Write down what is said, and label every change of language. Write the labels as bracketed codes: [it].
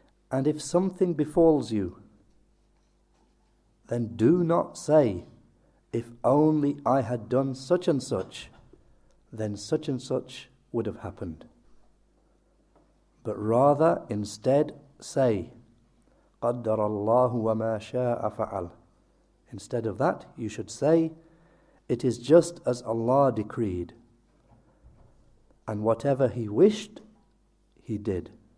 [en] And if something befalls you, then do not say, if only I had done such and such, then such and such would have happened. [ar] But rather, instead, say, قَدَّرَ اللَّهُ وَمَا شَاءَ فَعَلْ. [en] Instead of that, you should say, it is just as Allah decreed. And whatever He wished, He did.